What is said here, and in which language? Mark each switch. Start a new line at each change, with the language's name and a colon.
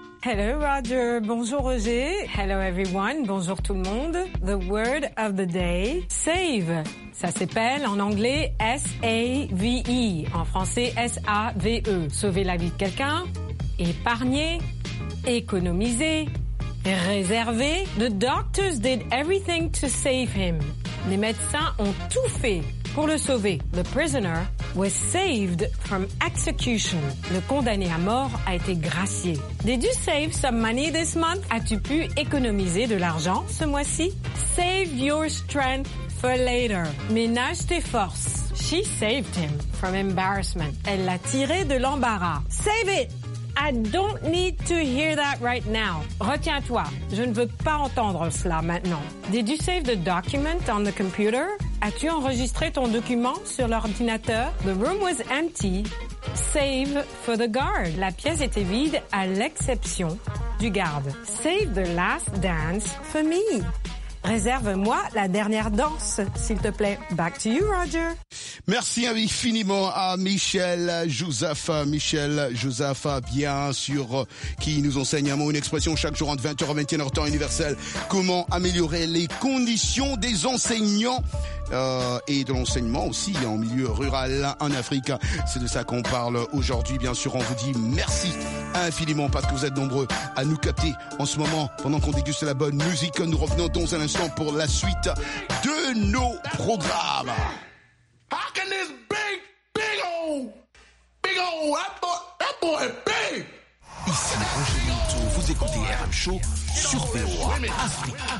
English: Hello, Roger.
French: Bonjour, Roger.
English: Hello, everyone.
French: Bonjour, tout le monde.
English: The word of the day, save.
French: Ça s'appelle en anglais S-A-V-E. En français, S-A-V-E. Sauver la vie de quelqu'un, épargner, économiser, réserver.
English: The doctors did everything to save him.
French: Les médecins ont tout fait pour le sauver.
English: The prisoner was saved from execution.
French: Le condamné à mort a été gracié.
English: Did you save some money this month?
French: As-tu pu économiser de l'argent ce mois-ci?
English: Save your strength for later.
French: Ménage tes forces.
English: She saved him from embarrassment.
French: Elle l'a tiré de l'embarras.
English: Save it! I don't need to hear that right now.
French: Retiens-toi. Je ne veux pas entendre cela maintenant.
English: Did you save the document on the computer?
French: As-tu enregistré ton document sur l'ordinateur?
English: The room was empty. Save for the guard.
French: La pièce était vide à l'exception du garde.
English: Save the last dance for me.
French: Réserve-moi la dernière danse, s'il te plaît.
English: Back to you, Roger.
French: Merci infiniment à Michel Joseph. Michel Joseph, bien sûr, qui nous enseigne un mot, une expression chaque jour entre 20h et 21h, temps universel. Comment améliorer les conditions des enseignants et de l'enseignement aussi en milieu rural en Afrique. C'est de ça qu'on parle aujourd'hui. Bien sûr, on vous dit merci infiniment parce que vous êtes nombreux à nous capter en ce moment pendant qu'on déguste la bonne musique. Nous revenons dans un instant pour la suite de nos programmes. How can this big, big old, big old, that boy big? Ici, Roger Minto, vous écoutez RM Show sur VOA Afrique.